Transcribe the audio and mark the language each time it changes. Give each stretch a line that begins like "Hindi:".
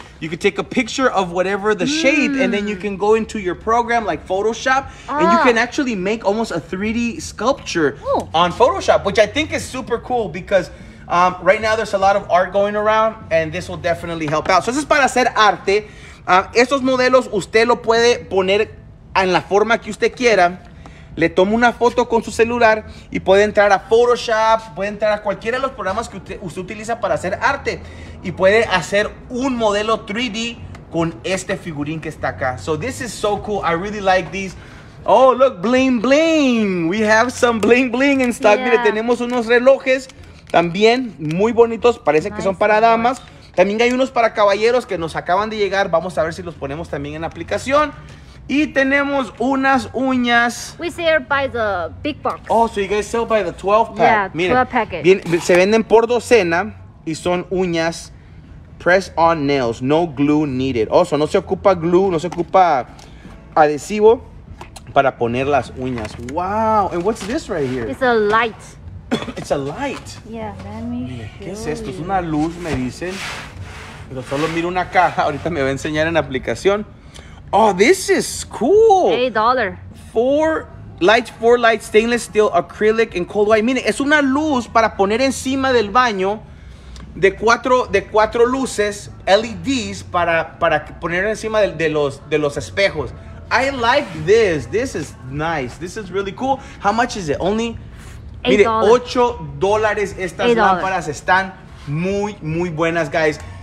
English: You can take a picture of whatever the shape, and then you can go into your program like Photoshop, and you can actually make almost a 3D sculpture on Photoshop, which I think is super cool because right now there's a lot of art going around, and this will definitely help out. So this is
Spanish: para hacer arte. Estos modelos usted lo puede poner en la forma que usted quiera. Le toma una foto con su celular y puede entrar a Photoshop, puede entrar a cualquiera de los programas que usted utiliza para hacer arte y puede hacer un modelo 3D con este figurín que está acá.
English: So this is so cool. I really like these. Oh, look, bling bling. We have some bling bling in stock.
Spanish: Yeah. Mire, tenemos unos relojes también muy bonitos. Parece nice que son para damas. También hay unos para caballeros que nos acaban de llegar. Vamos a ver si los ponemos también en la aplicación. Y tenemos unas uñas.
English: We sell by the big box. Oh, so you guys sell by the 12 pack. Yeah, 12 packet.
Spanish: Se venden por docena y son uñas press on nails.
English: No glue needed.
Spanish: Oh, so no se ocupa glue, no se ocupa adhesivo para poner las uñas.
English: Wow. And what's this right here? It's a light. It's a light. Yeah, let me show you.
Spanish: ¿Qué es esto? Es una luz, me dicen. Pero solo miro una caja. Ahorita me va a enseñar en la aplicación.
English: Oh, this is cool. $8. Four lights, stainless steel, acrylic, and cold white.
Spanish: Mire, es una luz para poner encima del baño de cuatro luces, LEDs, para poner encima de los espejos.
English: I like this. This is nice. This is really cool. How much is it? Only $8.
Spanish: Mire, $8. Estas lámparas están muy, muy buenas, guys.